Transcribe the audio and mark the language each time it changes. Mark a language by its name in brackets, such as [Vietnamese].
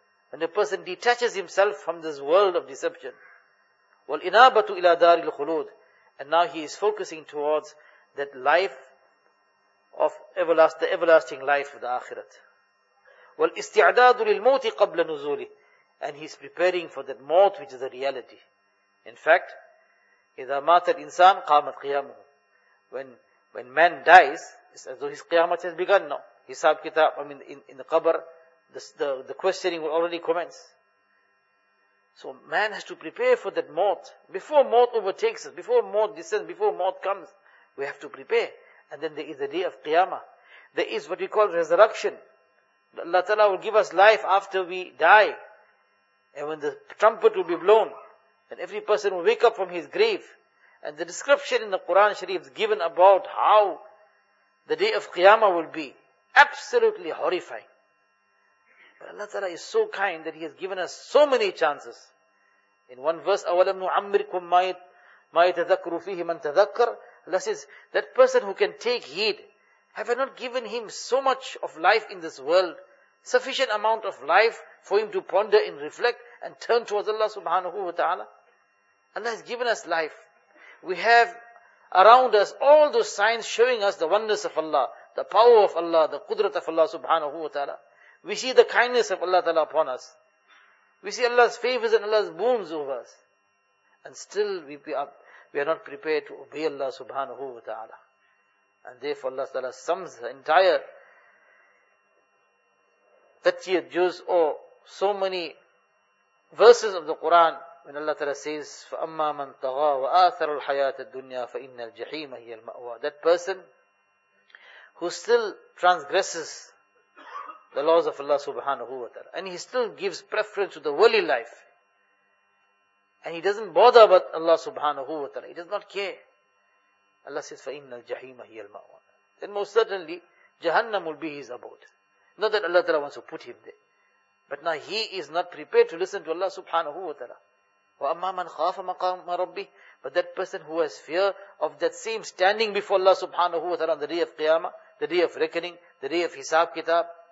[English] When a person detaches himself from this world of deception, [Arabic] wal-inabatu ila daril khulud. [English] And now he is focusing towards that life of the everlasting life of the akhirat. [Arabic] وَالْإِسْتِعْدَادُ لِلْمَوْتِ قَبْلَ نُزُولِ. [English] And he is preparing for that maut, which is a reality. In fact, [Arabic] إِذَا مَاتَ الْإِنسَانِ قَامَتْ قِيَامُهُ. [English] When man dies, it's as though his qiyamah has begun now. Hisab kitab, I mean in the qabr, the questioning will already commence. So man has to prepare for that maut. Before maut overtakes us, before maut descends, before maut comes, we have to prepare. And then there is the day of Qiyamah. There is what we call resurrection. Allah Ta'ala will give us life after we die. And when the trumpet will be blown, and every person will wake up from his grave. And the description in the Quran Sharif is given about how the day of Qiyamah will be. Absolutely horrifying. But Allah Ta'ala is so kind that He has given us so many chances. In one verse, [Arabic] أَوَلَمْ نُعَمِّرْكُمْ مَا يَتَذَكْرُ فِيهِ مَنْ تَذَكَّرُ. [English] Allah says, that person who can take heed, have I not given him so much of life in this world, sufficient amount of life for him to ponder and reflect and turn towards Allah subhanahu wa ta'ala? Allah has given us life. We have around us all those signs showing us the oneness of Allah, the power of Allah, the qudrat of Allah subhanahu wa ta'ala. We see the kindness of Allah ta'ala upon us. We see Allah's favors and Allah's boons over us. And still we are not prepared to obey Allah subhanahu wa ta'ala. And therefore Allah ta'ala sums the entire 30th juz or so many verses of the Quran when Allah ta'ala says, [Arabic] فَأَمَّا مَنْ تَغَى وَآثَرُ الْحَيَاةَ الدُّنْيَا فَإِنَّ الْجَحِيمَ هِيَ الْمَأْوَى. [English] That person who still transgresses the laws of Allah subhanahu wa ta'ala and he still gives preference to the worldly life, and he doesn't bother about Allah subhanahu wa ta'ala. He does not care. Allah says, [Arabic] فَإِنَّ الْجَحِيمَ هِيَ الْمَأْوَى. [English] Then most certainly, Jahannam will be his abode. Not that Allah ta'ala wants to put him there. But now he is not prepared to listen to Allah subhanahu wa ta'ala. [Arabic] وَأَمَّا مَنْ خَافَ مَقَامَ رَبِّهِ. [English] But that person who has fear of that same standing before Allah subhanahu wa ta'ala on the day of Qiyamah, the day of reckoning, the day of Hisab Kitab.